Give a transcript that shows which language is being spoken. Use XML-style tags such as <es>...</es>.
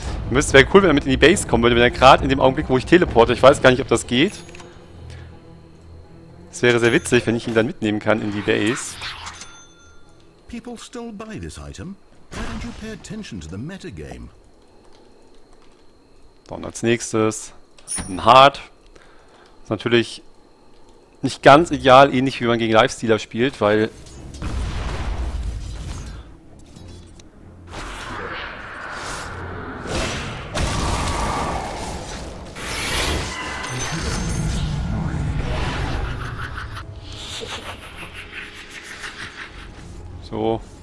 <de>Müsste, wäre cool, wenn er mit in die Base kommen würde, wenn er gerade in dem Augenblick, wo ich teleporte. Ich weiß gar nicht, ob das geht. Es wäre sehr witzig, wenn ich ihn dann mitnehmen kann in die Base.</de> <en>People still buy this item. Why don't you pay attention to the metagame?</en> <de>Dann als nächstes ein Hard. Ist natürlich nicht ganz ideal, ähnlich wie man gegen Lifestealer spielt, weil so.</de>